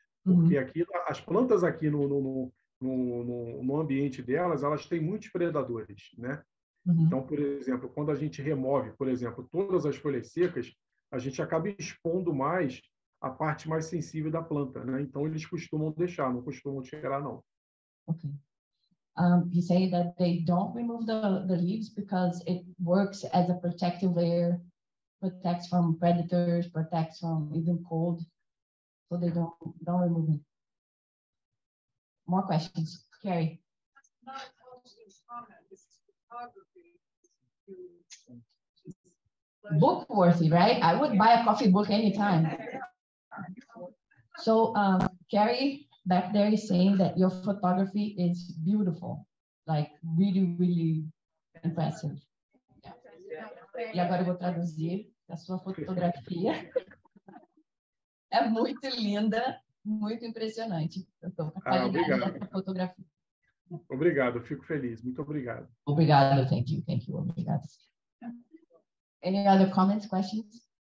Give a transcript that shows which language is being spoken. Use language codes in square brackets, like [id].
[pt] Porque aqui, as plantas aqui no ambiente delas, elas têm muitos predadores, né? Uhum. Então, por exemplo, quando a gente remove, por exemplo, todas as folhas secas, a gente acaba expondo mais a parte mais sensível da planta, né? Então, eles costumam deixar, não costumam tirar, não. Ok. [en] He said that they don't remove the leaves because it works as a protective layer, protects from predators, protects from even cold. So they don't remove it. More questions, Carrie. That's not a question, comment. This is photography. Book worthy, right? I would buy a coffee book anytime. So Carrie back there is saying that your photography is beautiful, like really, really impressive. Yeah. [pt] E agora eu vou traduzir a sua fotografia. É muito linda, muito impressionante. Obrigado. Fotografia. Obrigado, fico feliz. Muito obrigado. Obrigado, [en] thank you, [pt] obrigado. [en] Any other comments, questions?